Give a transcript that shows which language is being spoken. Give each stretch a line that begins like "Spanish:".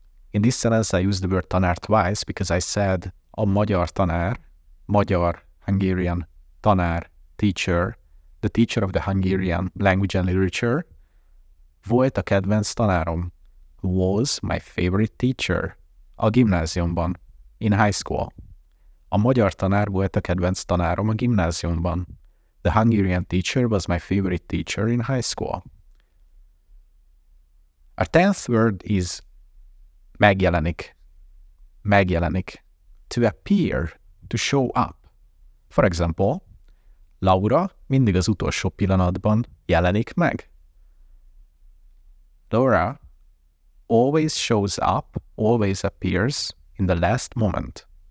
English: In this sentence, I used the word tanár twice because I said
Hungarian: a magyar tanár,
English: magyar, Hungarian, tanár, teacher, the teacher of the Hungarian language and literature,
Hungarian: volt a kedvenc tanárom,
English: was my favorite teacher,
Hungarian: a gimnáziumban,
English: in high school.
Hungarian: A magyar tanár volt a kedvenc tanárom a gimnáziumban.
English: The Hungarian teacher was my favorite teacher in high school. Our tenth word is megjelenik. Megjelenik. To appear, to show up. For example,
Hungarian: Laura mindig az utolsó pillanatban jelenik meg.
English: Laura always shows up, always appears in the last moment.